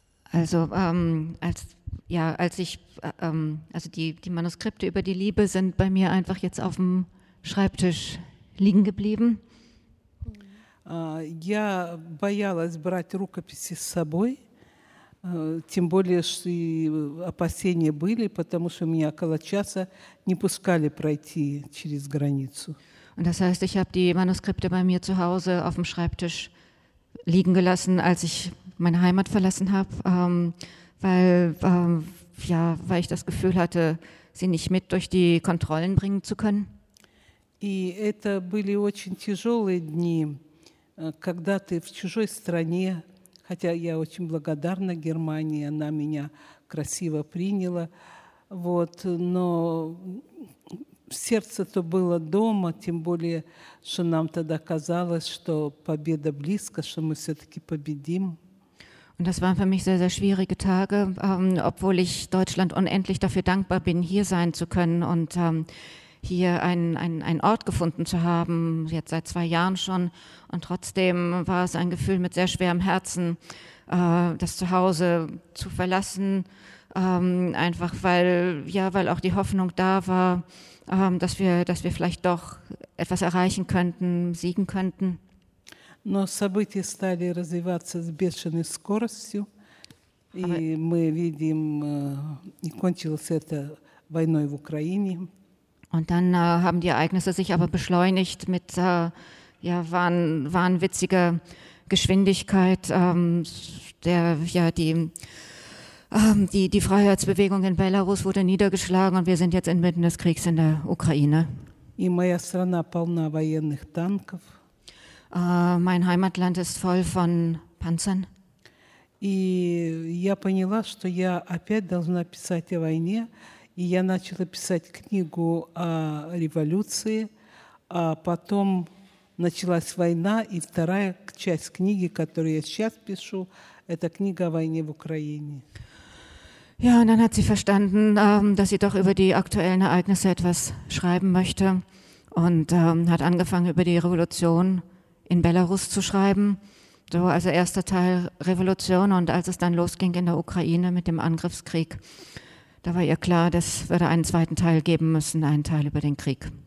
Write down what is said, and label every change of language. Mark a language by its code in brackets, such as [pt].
[de] Also die Manuskripte über die Liebe sind bei mir einfach jetzt auf dem Schreibtisch liegen geblieben. [ru] Я боялась брать рукописи с собой, тем более что опасения были, потому что меня около часа не пускали пройти через границу. [de] Und das heißt, ich habe die Manuskripte bei mir zu Hause auf dem Schreibtisch liegen gelassen, als ich meine Heimat verlassen habe, weil ich das Gefühl hatte, sie nicht mit durch die Kontrollen bringen zu können. [ru] И это были очень тяжелые дни, когда ты в чужой стране, хотя я очень благодарна Германии, она меня красиво приняла, вот, но сердце-то было дома, тем более, что нам тогда казалось, что победа близко, что мы все-таки победим. [de] Und das waren für mich sehr, sehr schwierige Tage, obwohl ich Deutschland unendlich dafür dankbar bin, hier sein zu können und hier einen Ort gefunden zu haben, jetzt seit 2 Jahren schon. Und trotzdem war es ein Gefühl mit sehr schwerem Herzen, das Zuhause zu verlassen, einfach weil auch die Hoffnung da war, dass wir vielleicht doch etwas erreichen könnten, siegen könnten. [ru] Но события стали развиваться с бешеной скоростью, и мы видим, и кончилось это войной в Украине. [de] Und dann haben die Ereignisse sich aber beschleunigt mit wahnwitziger Geschwindigkeit, die Freiheitsbewegung in Belarus wurde niedergeschlagen und wir sind jetzt inmitten des Kriegs in der Ukraine. [ru] И моя страна полна военных танков. [de] Mein Heimatland ist voll von Panzern. [ru] И я поняла, что я опять должна писать о войне, и я начала писать книгу о революции, а потом началась война, и вторая часть книги, которую я сейчас пишу, эта книга о войне в Украине. [de] Ja, und dann hat sie verstanden, dass sie doch über die aktuellen Ereignisse etwas schreiben möchte und hat angefangen, über die Revolution in Belarus zu schreiben. So, also erster Teil Revolution, und als es dann losging in der Ukraine mit dem Angriffskrieg, da war ihr klar, das würde einen zweiten Teil geben müssen, einen Teil über den Krieg.